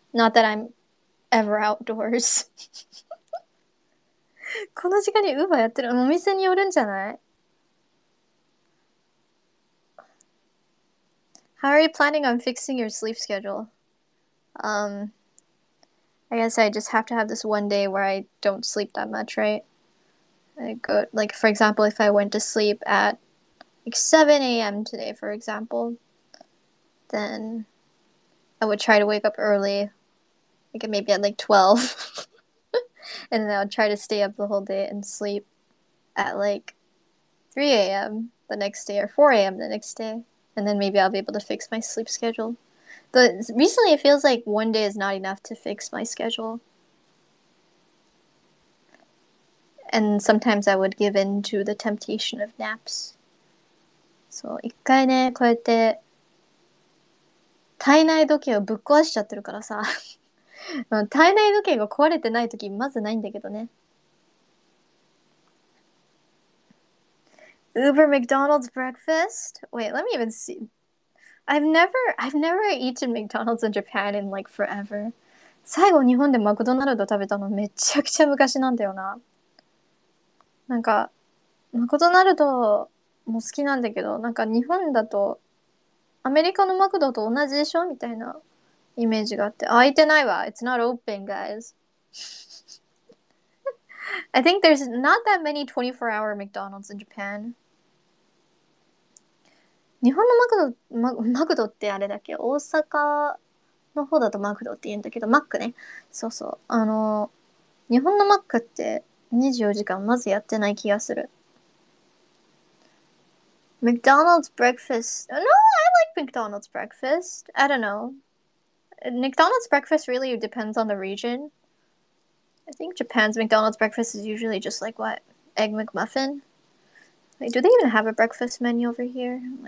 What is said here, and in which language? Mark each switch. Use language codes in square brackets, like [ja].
[en] Not that I'm ever outdoors. [ja] この時間にウーバーやってる。お店によるんじゃない? [en] How are you planning on fixing your sleep schedule? I guess I just have to have this one day where I don't sleep that much, right? For example, if I went to sleep at like 7 a.m. today, for example, then I would try to wake up early, like maybe at like 12. And then I would try to stay up the whole day and sleep at like 3 a.m. the next day or 4 a.m. the next day. And then maybe I'll be able to fix my sleep schedule. But recently it feels like one day is not enough to fix my schedule. And sometimes I would give in to the temptation of naps. [ja] So, 一回ね、こうやって体内時計をぶっ壊しちゃってるからさ。体内時計が壊れてない時まずないんだけどね。 [en] Uber McDonald's breakfast? Wait, let me even see. I've never eaten McDonald's in Japan in like forever. [ja] 最後日本でマクドナルド食べたのめちゃくちゃ昔なんだよな。なんかマクドナルドも好きなんだけど、なんか日本だとアメリカのマクドと同じでしょみたいなイメージがあって、開いてないわ。 [en] It's not open, guys. I think there's not that many 24-hour McDonald's in Japan. [ja] 日本のマクドってあれだっけ、大阪の方だとマクドって言うんだけど、マックね。そうそう。あの、日本のマックって24時間まずやってない気がする。 [en] McDonald's breakfast. No, I like McDonald's breakfast. I don't know. McDonald's breakfast really depends on the region. I think Japan's McDonald's breakfast is usually just like what? Egg McMuffin? Like, do they even have a breakfast menu over here?